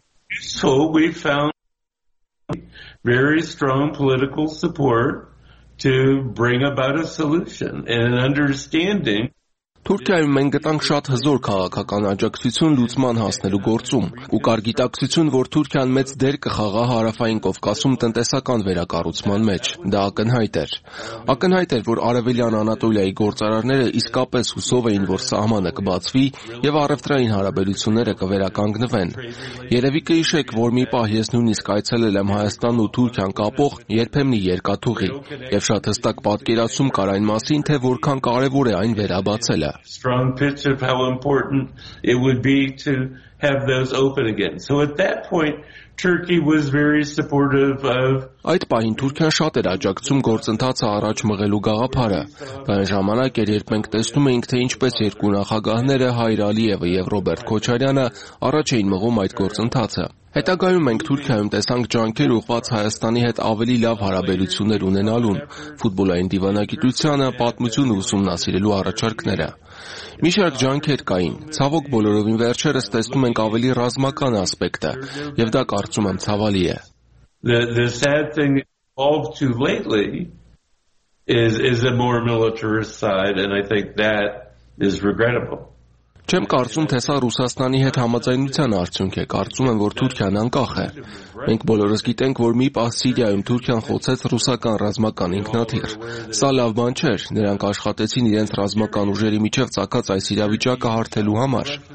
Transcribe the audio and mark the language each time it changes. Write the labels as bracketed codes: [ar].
[en] So we found very strong political support to bring about a solution and an understanding. [hy] Թուրքիայում մենք գտանք շատ հզոր քաղաքական աջակցություն լուծման հասնելու գործում, ու կար գիտակցություն, որ Թուրքիան մեծ դեր կխաղա Հարավային Կովկասում տնտեսական վերակառուցման մեջ։ Դա ակնհայտ էր։ Ակնհայտ էր, որ Արևելյան Անատոլիայի գործարարները իսկապես հուսով էին, որ սահմանը կբացվի և առևտրային հարաբերությունները կվերականգնվեն։ Երևի կհիշեք, որ մի պահ ես նույնիսկ այցելել եմ Հայաստանն ու Թուրքիան կապող երբեմնի երկաթուղի, և շատ հստակ պատկերացում կար այն մասին, թե որքան կարևոր է այն վերաբացել։ [en] Strong pitch of how important it would be to have those open again. So at that point, Turkey was very supportive of. [hy] Այդ պահին Թուրքիան շատ էր աջակցում գործընթացը առաջ մղելու գաղափարը։ Դա այն ժամանակ էր, երբ մենք տեսնում էինք, թե ինչպես երկու նախագահները, Հայր Ալիևը և Ռոբերտ Քոչարյանը, առաջ էին մղում այդ գործընթացը։ Հետագայում մենք Թուրքիայում տեսանք ջանքեր ուղված Հայաստանի հետ ավելի լավ հարաբերություններ ունենալուն, ֆուտբոլային դիվանագիտությանը, պատմությունը ուսումնասիրելու առաջարկները։ Մի շարք ջանքեր կային, ցավոք բոլորովին վերջերս տեսնում ենք ավելի ռազմական ասպեկտը, և դա կարծում եմ ցավալի է։ [en] The sad thing evolved too lately is a more militarist side, and I think that is regrettable. [hy] Չեմ կարծում, թե սա Ռուսաստանի հետ համաձայնության արդյունք է, կարծում եմ, որ Թուրքիան անկախ է։ Մենք բոլորս գիտենք, որ մի պահ Սիրիայում Թուրքիան խոցեց ռուսական ռազմական ինքնաթիռ։ Սա լավ բան չէր, նրանք աշխատեցին իրենց ռազմական ուժերի միջև ծակած այս իրավիճակը հարթելու համար։